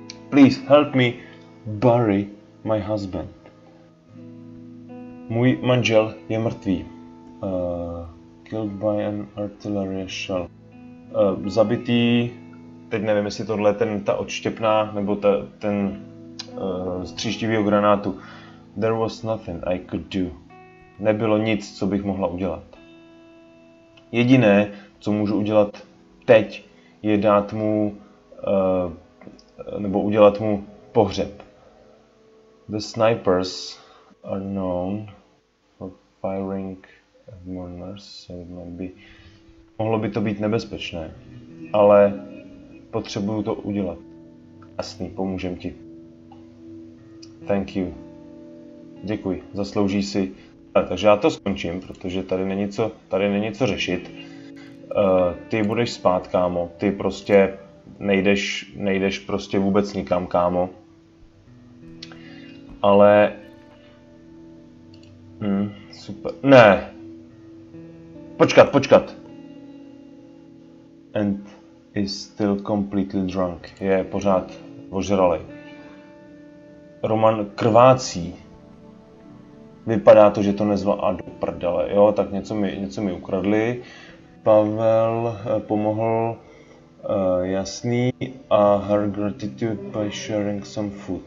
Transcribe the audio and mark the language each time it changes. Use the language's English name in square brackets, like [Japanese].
[English] Please, help me bury my husband. [Czech] Můj manžel je mrtvý. [English] Killed by an artillery shell. [Czech] Zabitý, teď nevím, jestli tohle je ta odštěpná, nebo ten... z tříštivýho granátu. [English] There was nothing I could do. [Czech] Nebylo nic, co bych mohla udělat. Jediné, co můžu udělat teď, je dát mu nebo udělat mu pohřeb. [English] The snipers are known for firing at mourners, so it might be. [Czech] Mohlo by to být nebezpečné, ale potřebuju to udělat. Jasný, pomůžem ti. [English] Thank you. [Czech] Děkuji, zaslouží si. Takže já to skončím, protože tady není co řešit. Ty budeš spát, kámo. Ty prostě nejdeš prostě vůbec nikam, kámo. Ale... super. Ne! Počkat. [English] And is still completely drunk. [Czech] Je pořád ožralý. Roman krvácí. Vypadá to, že to nezval. A do prdele, jo, tak něco mi ukradli. Pavel pomohl, jasný. [English] A her gratitude by sharing some food.